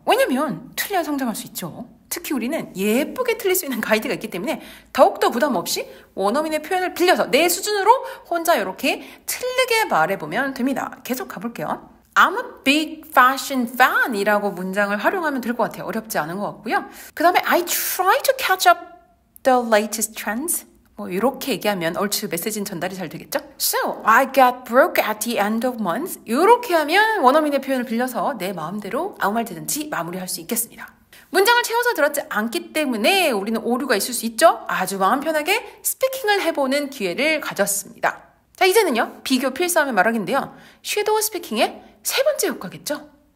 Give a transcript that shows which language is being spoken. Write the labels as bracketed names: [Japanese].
[Korean] 왜냐면 틀려야 성장할 수 있죠. 특히 우리는 예쁘게 틀릴 수 있는 가이드가 있기 때문에 더욱더 부담 없이 원어민의 표현을 빌려서 내 수준으로 혼자 이렇게 틀리게 말해보면 됩니다. 계속 가볼게요. [English] I'm a big fashion fan [Korean] 이라고 문장을 활용하면 될 것 같아요. 어렵지 않은 것 같고요. 그 다음에 [English] I try to catch up the latest trends. [Korean] 뭐 이렇게 얘기하면 얼추 메시지는 전달이 잘 되겠죠? [English] So I got broke at the end of month. [Korean] 이렇게 하면 원어민의 표현을 빌려서 내 마음대로 아무 말 되든지 마무리할 수 있겠습니다. 문장을 채워서 들었지 않기 때문에 우리는 오류가 있을 수 있죠? 아주 마음 편하게 스피킹을 해보는 기회를 가졌습니다. 자, 이제는요. 비교 필사하면 말하기인데요. 쉐도우 스피킹의 세 번째 효과겠죠?